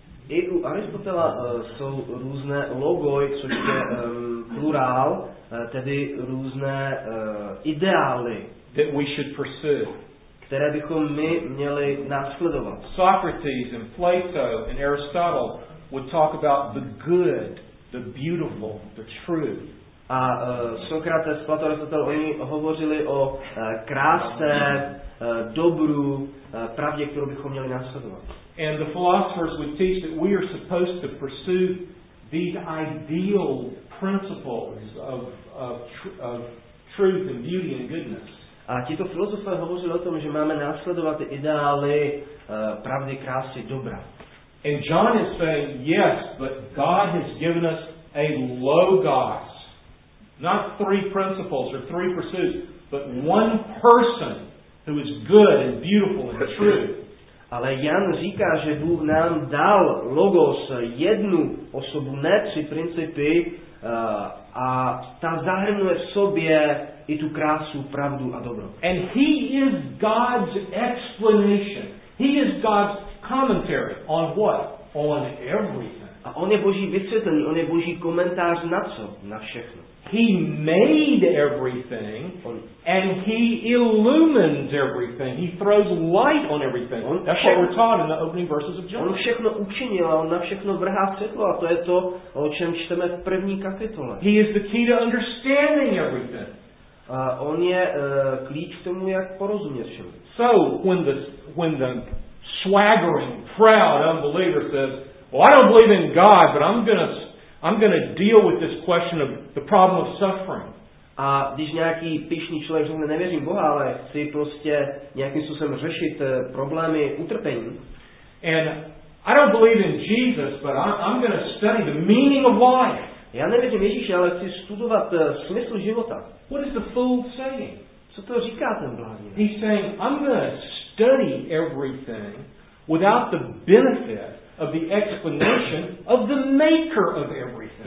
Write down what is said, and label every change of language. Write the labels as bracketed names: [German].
[Czech] I u Aristotela jsou různé logoi, což je plurál, tedy různé ideály, [English] that we should pursue, [Czech] které bychom my měli následovat. [English] Socrates and Plato and Aristotle would talk about the good, the beautiful, the true. [Czech] A Sokrates, Plato, Aristotel, oni hovořili o krásné, dobru, pravdě, kterou bychom měli následovat. [English] And the philosophers would teach that we are supposed to pursue these ideal principles of truth and beauty and goodness. [Czech] A tito filozofové hovořili o tom, že máme následovat ideály pravdy, krásy, dobra. [English] And John is saying, yes, but God has given us a logos. Not three principles or three pursuits, but one person who is good and beautiful and true. [Czech] Ale Jan říká, že Bůh nám dal logos, jednu osobu, ne tři principy, a ta zahrnuje v sobě i tu krásu, pravdu a dobro. [English] And he is God's explanation. He is God's commentary on what? On everything. [Czech] A on je Boží vysvětlení, on je Boží komentář na co? Na všechno. [English] He made everything and he illumines everything. He throws light on everything. That's what we're taught in the opening verses of John. [Czech] On všechno učinil, on na všechno vrhá světlo, a to je to, o čem čteme v první kapitole. [English] He is the key to understanding everything. [Czech] On je klíč k tomu, jak porozumět všemu. [English] So when the swaggering, proud unbeliever says, "Well, I don't believe in God, but I'm going to deal with this question of the problem of suffering." [Czech] A když nějaký pyšný člověk řekne, nevěřím Boha, ale chci prostě nějakým způsobem řešit problémy utrpení. [English] And I don't believe in Jesus, but I'm going to study the meaning of life. [Czech] Já nevěřím Ježíši, ale chci studovat smysl života. [English] What is the fool saying? [Czech] Co to říká ten blázen? [English] He's saying, I'm going to study everything without the benefit of the explanation of the maker of everything.